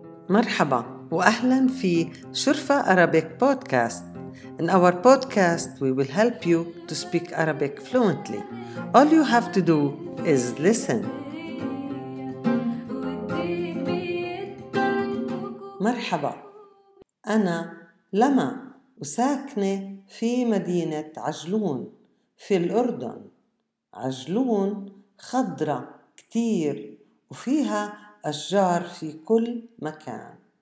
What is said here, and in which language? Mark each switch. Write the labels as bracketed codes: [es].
[ar] مرحبا وأهلا في شرفة Arabic Podcast. [en] In our podcast, we will help you to speak Arabic fluently. All you have to do is listen. [ar] مرحبا، أنا لما وساكنة في مدينة عجلون في الأردن. عجلون خضرة كتير وفيها أشجار في كل مكان.